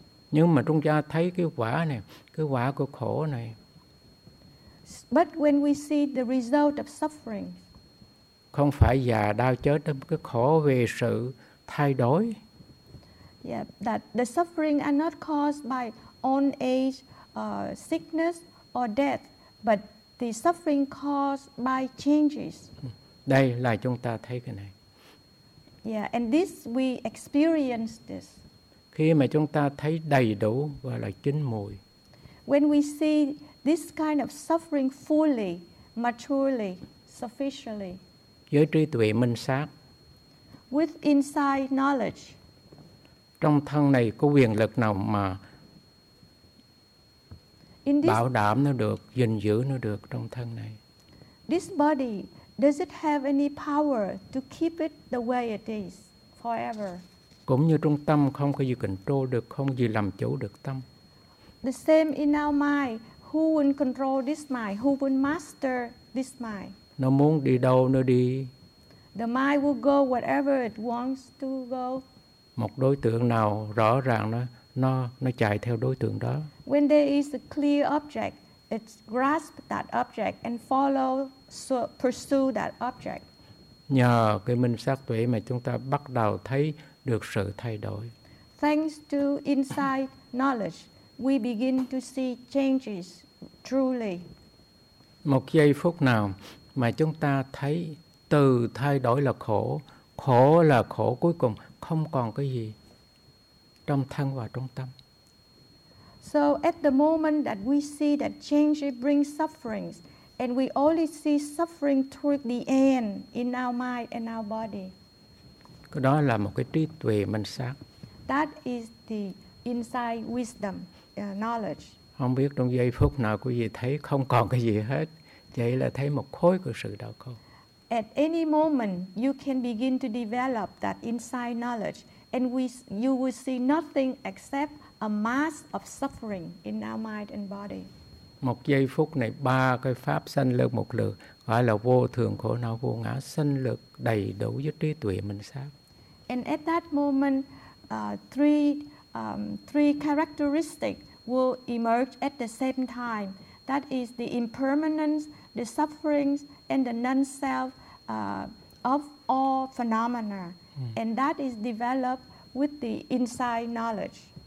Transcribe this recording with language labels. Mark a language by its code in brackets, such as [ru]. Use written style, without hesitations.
[vi] Nhưng mà chúng ta thấy cái quả này, cái quả của khổ này. [en] But when we see the result of suffering, [vi] không phải già đau chết đâu, cái khổ về sự thay đổi. [en] Yeah, that the suffering are not caused by old age, sickness or death, but the suffering caused by changes. [vi] Đây là chúng ta thấy cái này. [en] Yeah, and this we experience this. [vi] Khi mà chúng ta thấy đầy đủ và là chín mùi. [en] When we see this kind of suffering fully, maturely, sufficiently. [vi] Với trí tuệ minh sát. [en] With inside knowledge. [vi] Trong thân này có quyền lực nào mà bảo đảm nó được, gìn giữ nó được trong thân này. [en] This body, does it have any power to keep it the way it is forever? [vi] Cũng như trong tâm không có gì control được, không gì làm chủ được tâm. [en] The same in our mind, who will control this mind, who will master this mind? [vi] Nó muốn đi đâu nó đi. [en] The mind will go wherever it wants to go. [vi] Một đối tượng nào rõ ràng nó chạy theo đối tượng đó. [en] When there is a clear object, it grasps that object and follow, so pursue that object. [vi] Nhờ cái minh sát tuệ mà chúng ta bắt đầu thấy được sự thay đổi. [en] Thanks to inside knowledge, we begin to see changes truly. [vi] Một giây phút nào mà chúng ta thấy từ thay đổi là khổ, khổ là khổ cuối cùng, không còn cái gì trong thân và trong tâm. [en] So at the moment that we see that change brings sufferings, and we only see suffering toward the end in our mind and our body. [vi] Đó là một cái trí tuệ minh sát. [en] That is the inside wisdom, knowledge. [vi] Không biết trong giây phút nào quý vị thấy không còn cái gì hết, vậy là thấy một khối của sự đau khổ. [en] At any moment, you can begin to develop that inside knowledge, and you will see nothing except a mass of suffering in our mind and body. [vi] Một giây phút này ba cái pháp sanh lực một lượt, gọi là vô thường, khổ não, vô ngã, sanh lực đầy đủ với trí tuệ minh sát. [en] And at that moment, three characteristics will emerge at the same time. That is the impermanence, the sufferings, and the non-self of all phenomena. And that is developed with the inside knowledge.